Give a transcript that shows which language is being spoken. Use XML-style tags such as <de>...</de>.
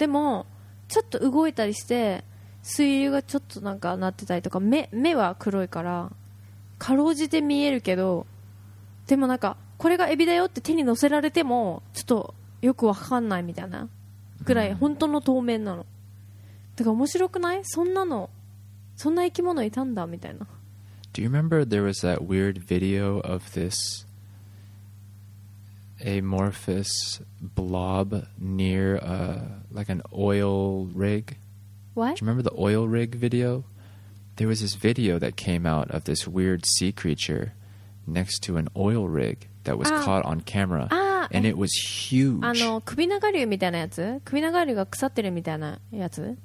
<ja>でも、ちょっと動いたりして、水流がちょっとなんかなってたりとか、目は黒いから、かろうじて見えるけど、でもなんか、これがエビだよって手に乗せられても、ちょっとよくわかんないみたいな。くらい本当の透明なの。だから面白くない？そんなの、そんな生き物いたんだみたいな。</ja> <en>Do you remember there was that weird video of this amorphous blob near like an oil rig? What? Do you remember the oil rig video? There was this video that came out of this weird sea creature next to an oil rig that was caught on camera. Ah, And it was huge.</en> <ja>あの、首長竜みたいなやつ？首長竜が腐ってるみたいなやつ？</ja>